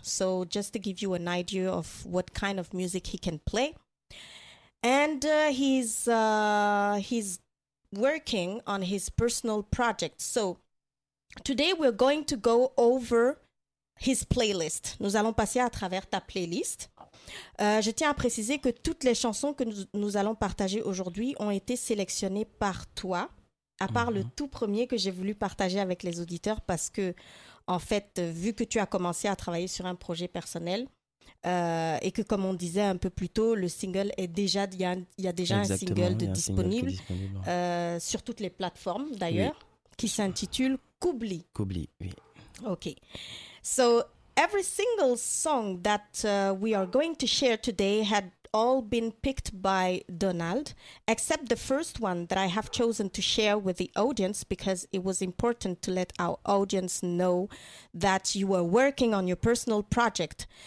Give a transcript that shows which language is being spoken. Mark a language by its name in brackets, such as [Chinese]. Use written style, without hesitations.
[English] So just to give you an idea of what kind of music he can play. And he's working on his personal project. So today we're going to go over his playlist. [French] Nous allons passer à travers ta playlist. Je tiens à préciser que toutes les chansons que nous allons partager aujourd'hui ont été sélectionnées par toi, à part le tout premier que j'ai voulu partager avec les auditeurs parce que, en fait, vu que tu as commencé à travailler sur un projet personnel et que, comme on disait un peu plus tôt, le single est déjà, il y a déjà exactement, un single de disponible, un single disponible. Sur toutes les plateformes d'ailleurs, oui. Qui s'intitule Koubli. Koubli, oui. [English] Ok. So, Every single song that we are going to share today had all been picked by Donald, except the first one that I have chosen to share with the audience because it was important to let our audience know that you were working on your personal project.